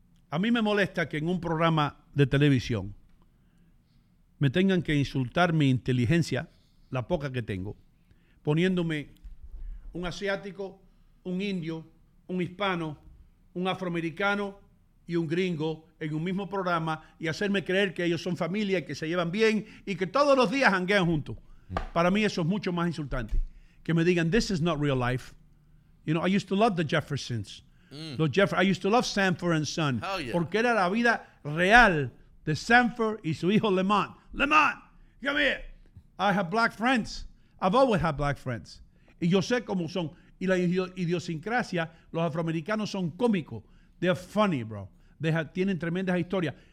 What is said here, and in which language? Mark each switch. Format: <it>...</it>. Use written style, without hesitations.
<es>A mí me molesta que en un programa de televisión me tengan que insultar mi inteligencia, la poca que tengo, poniéndome un asiático, un indio, un hispano, un afroamericano y un gringo en un mismo programa y hacerme creer que ellos son familia y que se llevan bien y que todos los días hanguean juntos. Para mí eso es mucho más insultante. Que me digan,</es> <en>this is not real life. You know, I used to love the Jeffersons. I used to love Sanford and Son. Hell yeah.</en> <es>Porque era la vida real de Sanford y su hijo Lamont.</es> <en>Lamont, come here. I have black friends. I've always had black friends.</en> <es>Y yo sé cómo son. Y la idiosincrasia, los afroamericanos son cómicos.</es> <en>They're funny, bro.</en> <es>Tienen tremendas historias.</es>